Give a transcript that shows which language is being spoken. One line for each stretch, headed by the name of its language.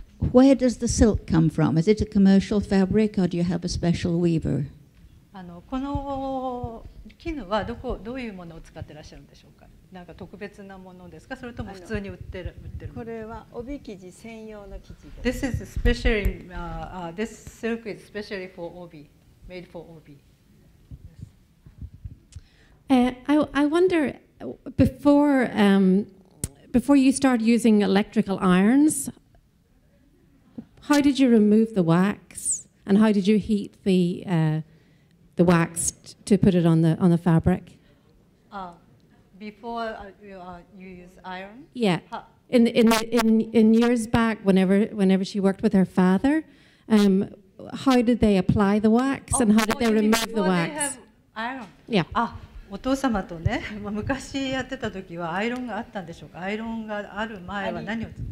English: Where does the silk come from? Is it a commercial fabric or do you have a special weaver?
Japanese: この絹はどういうものを使ってらっしゃるんでしょうか。なんか特別なものですか。それとも普通に売ってる。これは帯生地専用の生地です。
English: This is specially this silk is specially for obi, made for obi. I wonder before you start using electrical irons, how did you remove the wax and how did you heat the the wax to put it on the fabric. Before you use iron. Yeah. In years back, whenever she worked with her father, how did they apply the wax and how did they remove the wax? They have iron. Yeah.
Japanese: お父様とね、まあ、昔やってた時はアイロンがあったんでしょうか。アイロンがある前は何を